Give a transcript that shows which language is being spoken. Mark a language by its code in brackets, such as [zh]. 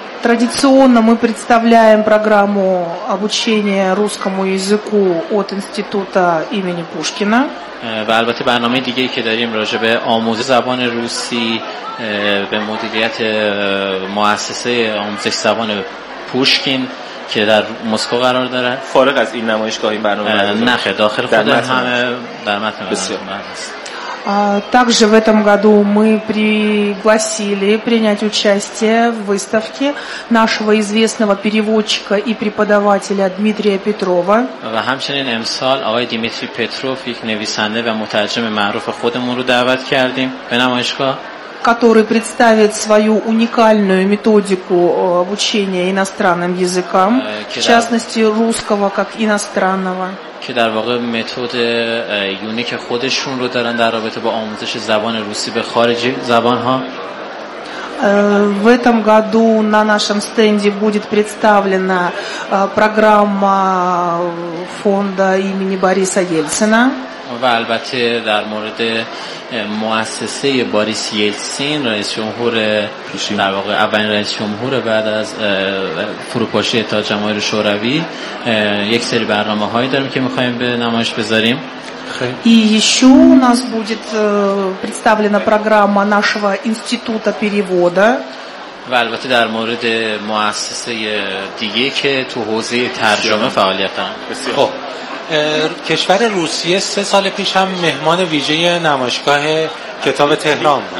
[ru] Традиционно мы представляем программу обучения русскому языку от института имени Пушкина. [fa] و البته برنامه دیگه که داریم راجع به آموزش زبان روسی به مدیریت مؤسسه آموزش زبان پوشکین که در مسکو قرار داره. فارغ از این نمایشگاه این برنامه نه خیر، داخل خود همه در متن [ru] Также в этом году мы пригласили принять участие в выставке нашего известного переводчика и преподавателя Дмитрия Петрова. [fa] و همچنین امسال آقای دیمیتری پتروف یک نویسنده و مترجم معروف خودمون رو دعوت کردیم به نمایشگاه. [ru] Который представит свою уникальную методику обучения иностранным языкам, в частности русского как иностранного. [fa] که در واقع متد یونیک خودشون رو دارن در رابطه با آموزش زبان روسی به خارجی زبان‌ها. [ru] В этом году на нашем стенде будет представлена программа фонда имени Бориса Ельцина. [fa] و البته در مورد مؤسسه بوریس یلسین رئیس جمهور پیشین، در واقع اولین رئیس جمهور بعد از فروپاشی اتحاد جماهیر شوروی، یک سری برنامه‌هایی داریم که می‌خوایم به نمایش بذاریم. خیلی. [ru] И ещё у нас будет представлена программа нашего института перевода. [fa] و البته در مورد مؤسسه دیگه که تو حوزه ترجمه فعالیت دارن. خب کشور روسیه سه سال پیش هم مهمان ویژه نمایشگاه کتاب تهران بود.